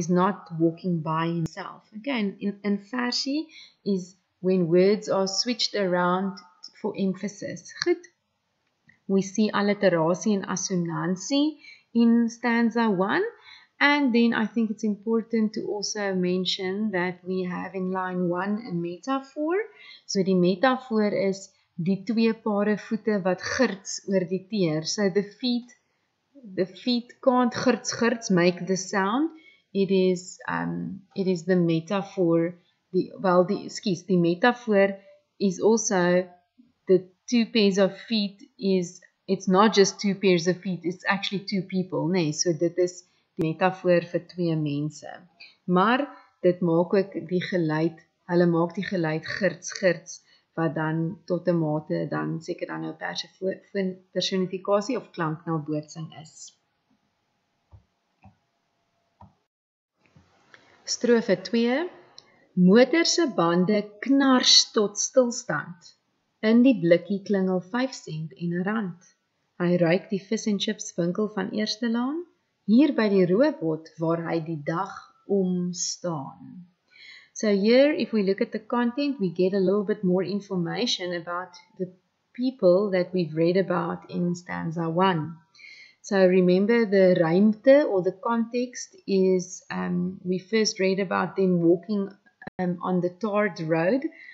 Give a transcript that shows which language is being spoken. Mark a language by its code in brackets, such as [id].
[en] He's not walking by himself. Again, in versie is when words are switched around for emphasis. [af] Goed, [en] we see [af] alliterasie en assonansie in stanza 1. [en] And then I think it's important to also mention that we have in line 1 a metaphor. [af] So die metaphor is die twee pare voete wat girts oor die teer. [en] So the feet can't girts girts make the sound. It is the metaphor the metaphor is also the two pairs of feet is, it's not just two pairs of feet, it's actually two people, nee? [af] So dit is die metafoor vir twee mense. Maar dit maak ook die geluid, hulle maak die geluid girts, girts, wat dan tot 'n mate dan seker dan nou personifikasie of klank na boodsing is. Strofe 2. Motor se bande knars tot stilstand. In die blikkie klingel 5 sent en 'n rand. Hy ruik die vis en chips winkel van Eerstelaan, hier by die robot waar hy die dag om staan. [en] So here, if we look at the content, we get a little bit more information about the people that we've read about in stanza 1. So remember, the ruimte or the context is, we first read about them walking on the tarred road.